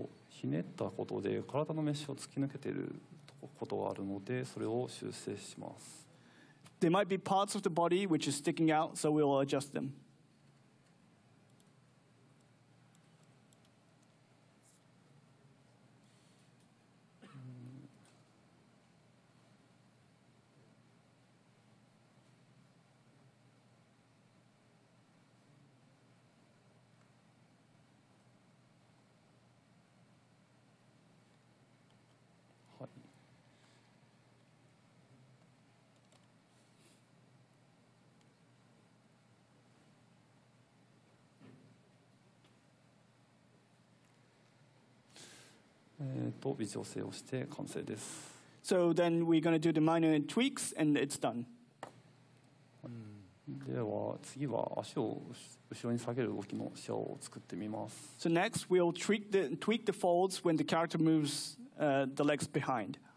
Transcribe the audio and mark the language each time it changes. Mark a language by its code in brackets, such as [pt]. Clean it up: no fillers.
[ja] ひねったことで体のメッシュを突き抜けていることがあるのでそれを修正します。 [en] There might be parts of the body which is sticking out, so we'll adjust them. [ja] 微調整をして完成です。 [en] So then we're gonna do the minor tweaks and it's done. [ja] では次は足を後ろに下げる動きのシェアを作ってみます。 [en] So next we'll tweak the folds when the character moves the legs behind.